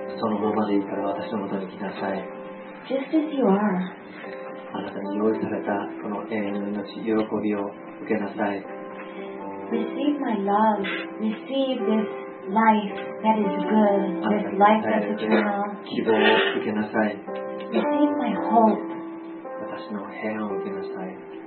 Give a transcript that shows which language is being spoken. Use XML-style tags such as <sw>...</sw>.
<ja>そのままでいいから私のもとに来なさい。</ja> <en>Just as you are.</en> <ja>あなたに用意されたこの永遠の命、喜びを受けなさい。</ja> <en>Receive my love. Receive this. Life that is good, this life that's eternal.</en> <ja>希望を受けなさい。</ja> <en>Receive my hope.</en> <ja>私の平安を受けなさい。</ja>